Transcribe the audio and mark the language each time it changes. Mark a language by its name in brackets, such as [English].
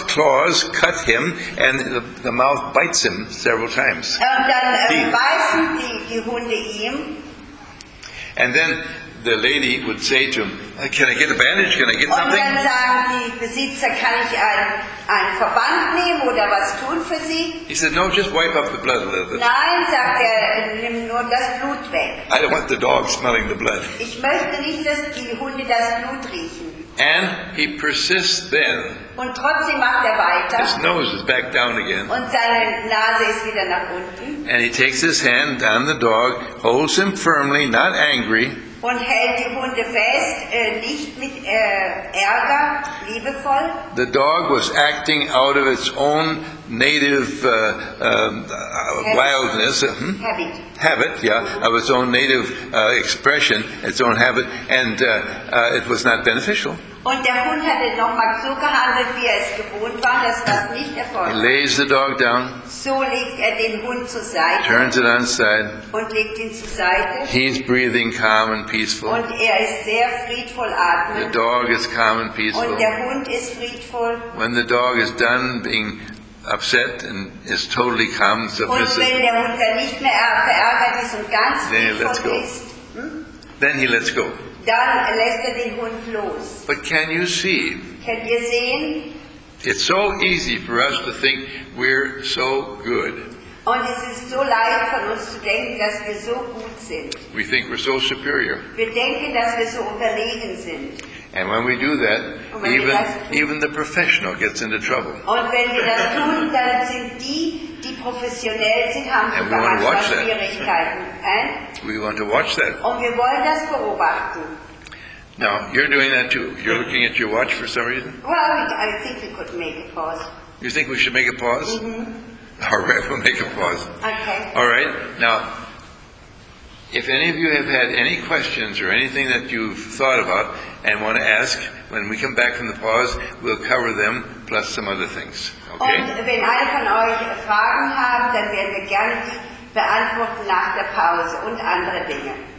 [English] claws cut him, and the mouth bites him several times. And then the lady would say to him, can I get a bandage? Can I get something? [German] Und dann sagen die Besitzer, kann ich ein Verband nehmen oder was tun für sie? [English] He said, no, just wipe up the blood a little bit. [German] Nein, sagt nimm nur das Blut weg. [English] I don't want the dog smelling the blood. [German] Ich möchte nicht, dass die Hunde das Blut riechen. [English] And he persists then. [German] Und trotzdem macht weiter. [English] His nose is back down again. [German] Und seine Nase ist wieder nach unten. [English] And he takes his hand down the dog, holds him firmly, not angry. [German] Und hält die Hunde fest, nicht mit Ärger, liebevoll. [English] The dog was acting out of its own native wildness. Habit, yeah, of its own native expression, its own habit, and it was not beneficial. [German] Und der Hund hatte nochmal so gehandelt, wie es gewohnt war, dass das nicht erfolgt. [English] He lays the dog down. [German] So legt den Hund zur Seite. [English] Turns it on side. [German] Und legt ihn zur Seite. [English] He's breathing calm and peaceful. [German] Und ist sehr friedvoll atmen. [English] The dog is calm and peaceful. [German] Und der Hund ist friedvoll. [English] When the dog is done being upset and is totally calm and submissive, [German] und wenn der Hund dann nicht mehr verärgert ist und ganz [English] then he lets go. [German] Ist, [English] then he lets go. [German] Dann lässt den Hund los. [English] But can you see? [German] Könnt ihr sehen? [English] It's so easy for us to think we're so good. [German] Und es ist so leicht von uns zu denken, dass wir so gut sind. [English] We think we're so superior. [German] Wir denken, dass wir so überlegen sind. [English] And when we do that, even the professional gets into trouble. [German] Und wenn wir das tun, dann sind die professionell sind, haben wir manchmal Schwierigkeiten. [English] We want to watch that. [German] Und wir wollen das beobachten. [English] Now, you're doing that too. You're looking at your watch for some reason? Well, I think we could make a pause. You think we should make a pause? Mm-hmm. All right, we'll make a pause. Okay. All right, now, If any of you have had any questions or anything that you've thought about and want to ask, when we come back from the pause, we'll cover them plus some other things. Okay? [German] Und wenn alle von euch Fragen haben, dann werden wir gerne beantworten nach der Pause und andere Dinge.